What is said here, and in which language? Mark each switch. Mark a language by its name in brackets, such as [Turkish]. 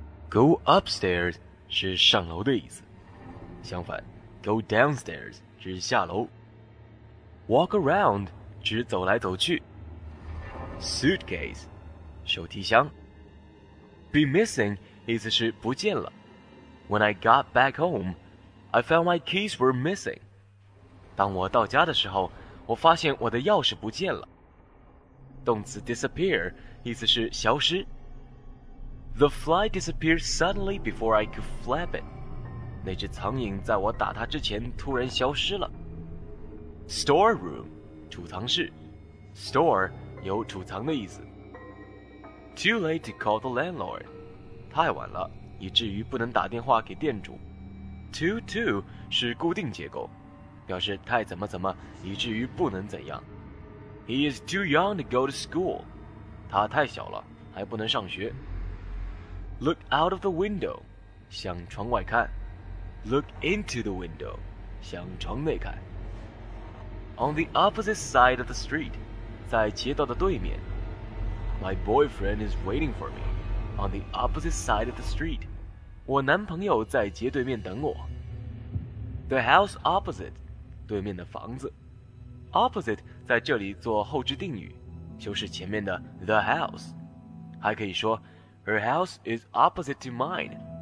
[English] Go upstairs [Chinese] 是上楼的意思，相反 [English] Go downstairs [Chinese] 指下楼。 [English] Walk around [Chinese] 指走来走去。Suitcase 手提箱。 [English] Be missing [Chinese] 意思是不见了。 [English] When I got back home I found my keys were missing. [Chinese] 当我到家的时候，我发现我的钥匙不见了。动词 disappear 意思是消失。 [English] The fly disappeared suddenly before I could flap it. [Chinese] 那只苍蝇在我打它之前突然消失了。 [English] Storeroom, [Chinese] 储藏室。 Store 有储藏的意思。 [English] Too late to call the landlord. [Chinese] 太晚了，以至于不能打电话给店主。 Too 是固定结构，表示太怎么怎么，以至于不能怎样。 [English] He is too young to go to school. [Chinese] 他太小了，还不能上学。 [English] Look out of the window. [Chinese] 向窗外看。 [English] Look into the window. [Chinese] 向窗内看。 [English] On the opposite side of the street. [Chinese] 在街道的对面。 [English] My boyfriend is waiting for me. On the opposite side of the street. [Chinese] 我男朋友在街对面等我。 [English] The house opposite, [Chinese] 对面的房子。 Opposite 在这里做后置定语，就是前面的 [English] the house。 [Chinese] 还可以说 [English] ,her house is opposite to mine,